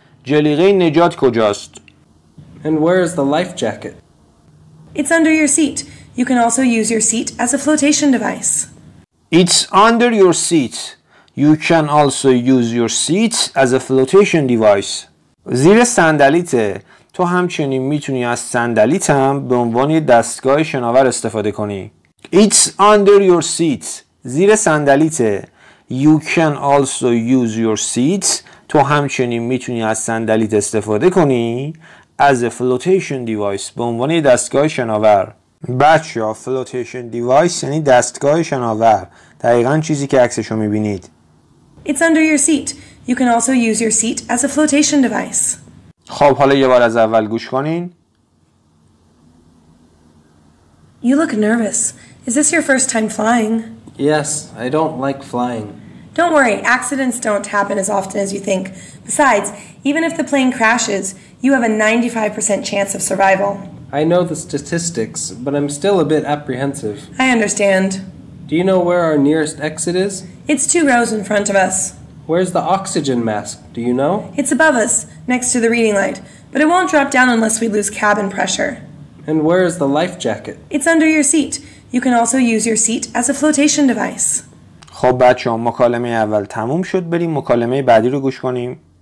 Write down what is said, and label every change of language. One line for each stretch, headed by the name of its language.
Persian: جلیقه نجات کجاست؟
English: And where is the life jacket? It's under your seat. You can also use your seat as a flotation device. It's under your seat. You can also use your seat as a flotation device.
Persian: زیر صندلیته. تو همچنین میتونی از صندلیت هم به عنوان دستگاه شناور استفاده کنی.
English: It's under your seat.
Persian: زیر صندلیته.
English: You can also use your seat.
Persian: تو همچنین میتونی از صندلیت استفاده کنی
English: as a flotation device
Persian: به عنوان دستگاه شناور. بچه‌ها flotation device یعنی دستگاه شناور. دقیقاً چیزی که عکسشو میبینید.
English: It's under your seat. You can also use your seat as a flotation device.
Persian: خب حالا یه بار از اول گوش کنین.
English: You look nervous. Is this your first time flying? Yes, I don't like flying. Don't worry, accidents don't happen as often as you think. Besides, even if the plane crashes, you have a 95% chance of survival. I know the statistics, but I'm still a bit apprehensive. I understand. Do you know where our nearest exit is? It's two rows in front of us. Where's the oxygen mask? Do you know? It's above us, next to the reading light. But it won't drop down unless we lose cabin pressure. And where is the life jacket? It's under your seat. You can also use your seat as a flotation device.
Persian: خب بچه‌ها مکالمه اول تموم شد. بریم مکالمه بعدی رو گوش کنیم.